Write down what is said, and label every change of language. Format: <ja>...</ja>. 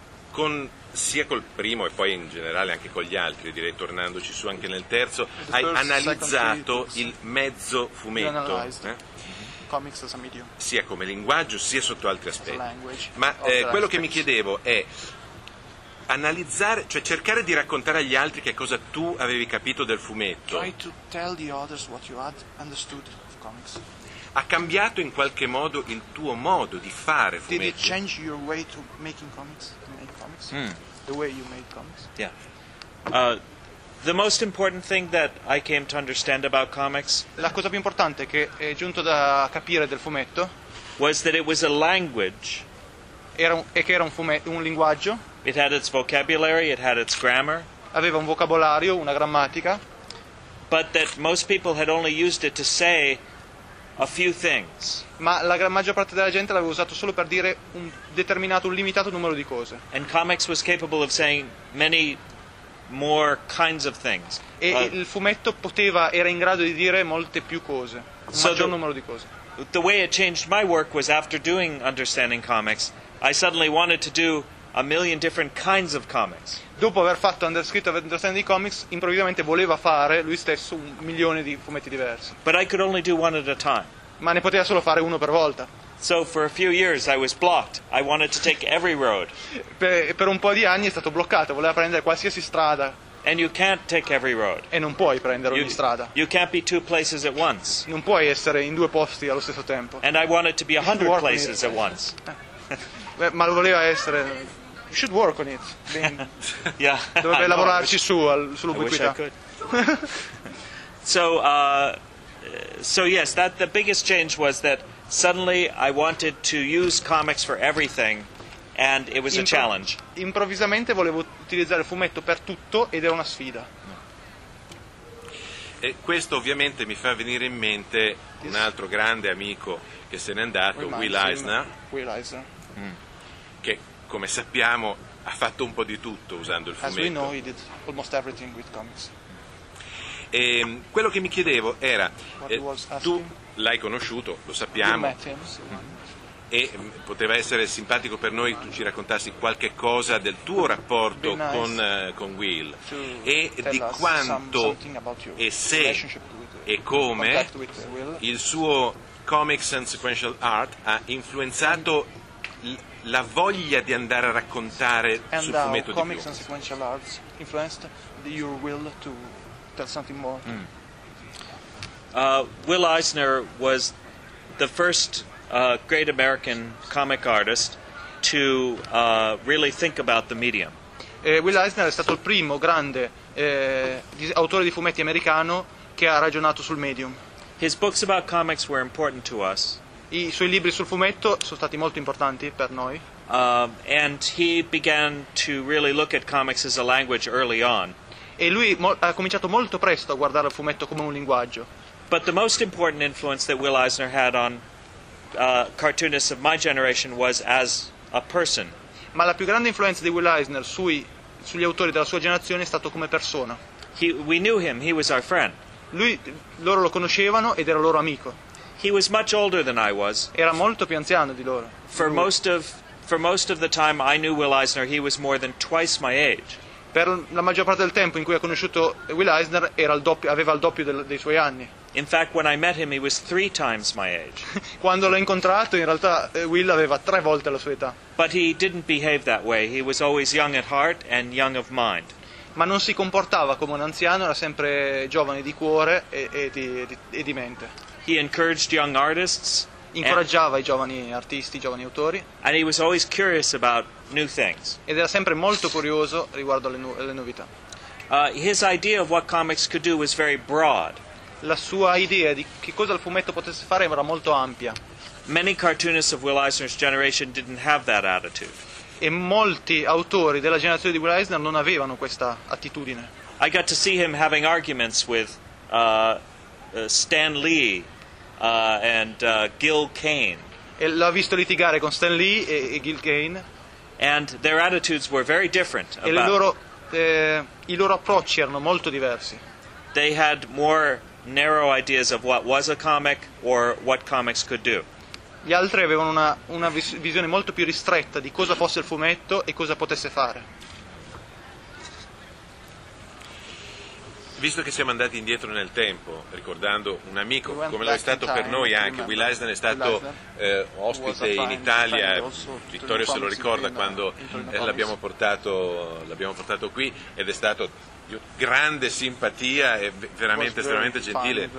<it>Con sia col primo e poi in generale anche con gli altri, direi tornandoci su anche nel terzo, hai analizzato il mezzo fumetto.</it> <en>Comics as a medium.</en> <it>Sia come linguaggio, sia sotto altri aspetti. Ma quello che mi chiedevo è analizzare, cioè cercare di raccontare agli altri che cosa tu avevi capito del fumetto.</it> <en>Try to tell the others what you had understood of comics.</en> <it>Ha cambiato in qualche modo il tuo modo di fare fumetti?</it> <en>Did it change your way to making comics, to make comics? Mm. The way you made comics? Yeah. The most important thing that I came to understand about comics.</en> <it>La cosa più importante che è giunto da capire del fumetto.</it> <en>Was that it was a language.</en> <it>Era un linguaggio.</it> <en>It had its vocabulary, it had its grammar.</en> <it>Aveva un vocabolario, una grammatica.</it> <en>But that most people had only used it to say a few things.</en> <it>Ma la gran maggior parte della gente l'aveva usato solo per dire un limitato numero di cose.</it> <en>And comics was capable of saying many more kinds of things.</en> <it>E il fumetto era in grado di dire molte più cose, un maggior numero di cose.</it> <en>The way it changed my work was after doing Understanding Comics, I suddenly wanted to do a million different kinds of comics.</en> <it>Dopo aver fatto Understanding Comics, improvvisamente voleva fare lui stesso un milione di fumetti diversi.</it> <en>But I could only do one at a time.</en> <it>Ma ne poteva solo fare uno per volta.</it> <en>So for a few years I was blocked. I wanted to take every road.</en> <it>Per un po' di anni è stato bloccato, voleva prendere qualsiasi strada.</it> <en>And you can't take every road.</en> <it>E non puoi prendere ogni strada.</it> <en>You can't be two places at once.</en> <it>Non puoi essere in due posti allo stesso tempo.</it> <en>And I wanted to be 100 places at once.</en> <it>Ma lo voleva essere.</it> <en>You should work on it. Yeah.</en> <it>Dovrebbe lavorarci sull'ubiquità.</it> <en>So yes, that the biggest change was that suddenly I wanted to use comics for everything, and it was a challenge.</en> <it>Improvvisamente volevo utilizzare il fumetto per tutto ed era una sfida. E questo ovviamente mi fa venire in mente un altro grande amico che se n'è andato, Will Eisner. Will Eisner. Che, come sappiamo, ha fatto un po' di tutto usando il fumetto.</it> <en>As we know, he did almost everything with comics.</en> <it>E quello che mi chiedevo era, tu l'hai conosciuto, lo sappiamo, e poteva essere simpatico per noi tu ci raccontassi qualche cosa del tuo rapporto con Will e di quanto e se e come il suo Comics and Sequential Art ha influenzato la voglia di andare a raccontare</it> <en>and</en> <it>sul fumetto di più.</it> <en>Comics and Sequential Arts influenced your will to tell something more. Will Eisner was the first great American comic artist to really think about the medium.</en> <it>Will Eisner è stato il primo grande autore di fumetti americano che ha ragionato sul medium.</it> <en>His books about comics were important to us.</en> <it>I suoi libri sul fumetto sono stati molto importanti per noi.</it> <en>And he began to really look at comics as a language early on.</en> <it>E lui ha cominciato molto presto a guardare il fumetto come un linguaggio.</it> <en>But the most important influence that Will Eisner had on cartoonists of my generation was as a person.</en> <it>Ma la più grande influenza di Will Eisner sugli autori della sua generazione è stato come persona.</it> <en>We knew him, he was our friend.</en> <it>Loro lo conoscevano ed era loro amico.</it> <en>He was much older than I was.</en> <it>Era molto più anziano di loro.</it> <en>For most of the time I knew Will Eisner, he was more than twice my age.</en> <it>Per la maggior parte del tempo in cui ho conosciuto Will Eisner aveva il doppio dei suoi anni.</it> <en>In fact, when I met him, he was three times my age.</en> <it>Quando l'ho incontrato, in realtà Will aveva tre volte la sua età.</it> <en>But he didn't behave that way. He was always young at heart and young of mind.</en> <it>Ma non si comportava come un anziano, era sempre giovane di cuore e di mente.</it> <en>He encouraged young artists.</en> <it>Incoraggiava i giovani artisti, i giovani autori.</it> <en>And he was always curious about new things.</en> <it>Ed era sempre molto curioso riguardo alle novità.</it> <en>His idea of what comics could do was very broad.</en> <it>La sua idea di che cosa il fumetto potesse fare era molto ampia.</it> <en>Many cartoonists of Will Eisner's generation didn't have that attitude.</en> <it>E molti autori della generazione di Will Eisner non avevano questa attitudine.</it> <en>I got to see him having arguments with Stan Lee and Gil Kane.</en> <it>E l'ho visto litigare con Stan Lee e Gil Kane.</it> <en>And their attitudes were very different.</en> <it>E i loro approcci erano molto diversi.</it> <en>They had more narrow ideas of what was a comic or what comics could do.</en> <it>Gli altri avevano una visione molto più ristretta di cosa fosse il fumetto e cosa potesse fare. Visto che siamo andati indietro nel tempo, ricordando un amico, come lo è stato per noi anche, Will Eisner è stato ospite in Italia, Vittorio se lo ricorda, quando l'abbiamo portato qui, ed è stato di grande simpatia e veramente estremamente gentile.</it>